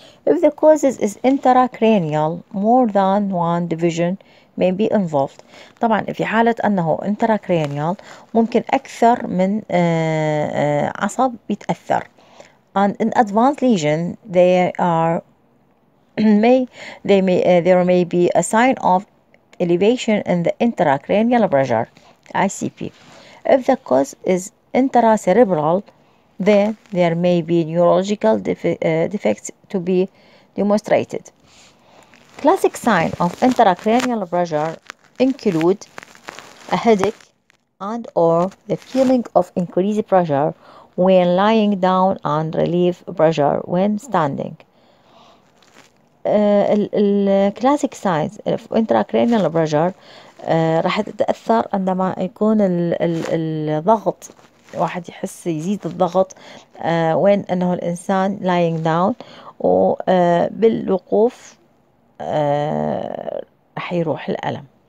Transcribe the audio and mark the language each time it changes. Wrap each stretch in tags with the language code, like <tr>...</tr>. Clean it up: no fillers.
<en>If the causes is intracranial, more than one division may be involved.</en> <ar>طبعا في حالة انه intracranial ممكن اكثر من عصب بيتأثر.</ar> <en>And in advanced lesion there may be a sign of elevation in the intracranial pressure, ICP. If the cause is intracerebral, then there may be neurological defects to be demonstrated. Classic sign of intracranial pressure include a headache and or the feeling of increased pressure when lying down and relieve pressure when standing.</en> <ar>الكلاسيك ساينز انتراكرينيال بريشر راح تتاثر عندما يكون الضغط، واحد يحس يزيد الضغط وين انه الانسان</ar> <en>lying down,</en> <ar>وبالوقوف راح يروح الالم،</ar>